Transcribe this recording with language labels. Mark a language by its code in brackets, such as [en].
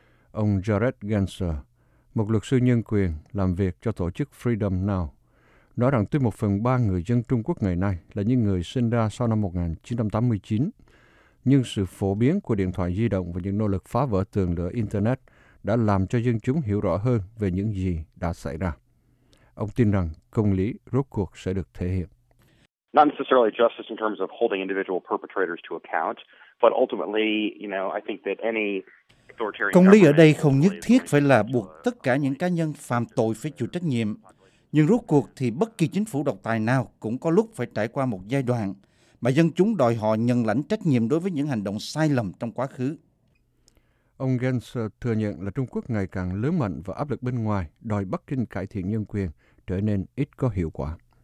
[vi] Ông Jared Genser, một luật sư nhân quyền làm việc cho tổ chức Freedom Now, nói rằng tới 1/3 người dân Trung Quốc ngày nay là những người sinh ra sau năm 1989, nhưng sự phổ biến của điện thoại di động và những nỗ lực phá vỡ tường lửa Internet đã làm cho dân chúng hiểu rõ hơn về những gì đã xảy ra. Ông tin rằng công lý rốt cuộc sẽ được thể hiện. [en] Not necessarily justice in terms of holding individual perpetrators to account, but ultimately, you know, I think that any authoritarian [vi] Công lý ở đây không nhất thiết phải là buộc tất cả những cá nhân phạm tội phải chịu trách nhiệm. Nhưng rốt cuộc thì bất kỳ chính phủ độc tài nào cũng có lúc phải trải qua một giai đoạn mà dân chúng đòi họ nhận lãnh trách nhiệm đối với những hành động sai lầm trong quá khứ. Ông Genser thừa nhận là Trung Quốc ngày càng lớn mạnh và áp lực bên ngoài đòi Bắc Kinh cải thiện nhân quyền trở nên ít có hiệu quả.